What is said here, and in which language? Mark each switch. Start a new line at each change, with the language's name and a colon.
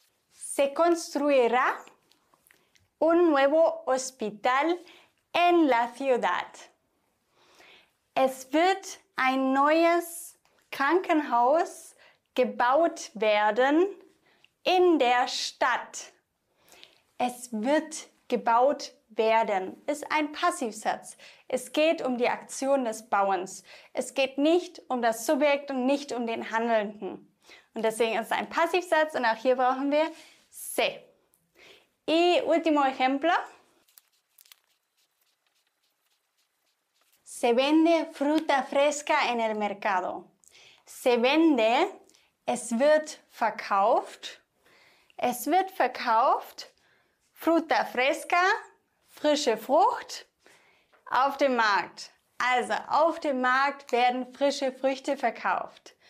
Spanish: Se construirá un nuevo hospital en la ciudad.
German: Es wird ein neues Krankenhaus gebaut werden in der Stadt. Es wird gebaut werden, ist ein Passivsatz. Es geht um die Aktion des Bauens. Es geht nicht um das Subjekt und nicht um den Handelnden. Und deswegen ist es ein Passivsatz und auch hier brauchen wir se.
Spanish: Y último ejemplo. Se vende fruta fresca en el mercado. Se vende,
German: es wird verkauft. Es wird verkauft,
Spanish: fruta fresca,
German: frische Frucht, auf dem Markt. Also, auf dem Markt werden frische Früchte verkauft.